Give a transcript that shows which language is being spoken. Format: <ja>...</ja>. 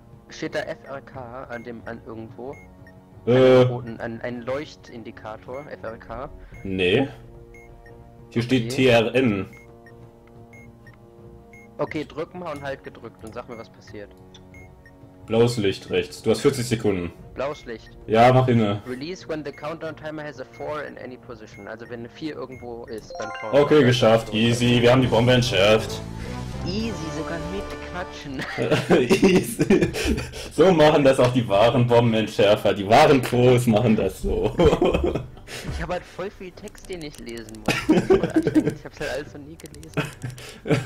<de>Steht da FRK an dem, an irgendwo? Ein Leuchtindikator, FRK. Nee. Hier steht TRN. Okay, drück mal und halt gedrückt und sag mir, was passiert. Blaues Licht rechts. Du hast 40 Sekunden. Blaues Licht. Ja, mach inne.</de> <en>Release when the countdown timer has a 4 in any position.</en> <de>Also wenn eine 4 irgendwo ist, dann kommt. Okay, geschafft. Easy. Wir haben die Bombe entschärft. Easy, sogar mit Quatschen. Easy. So machen das auch die wahren Bombenentschärfer. Die wahren Pros machen das so. Ich habe halt voll viel Text, den ich lesen muss. Ich habe es halt alles noch nie gelesen.</de>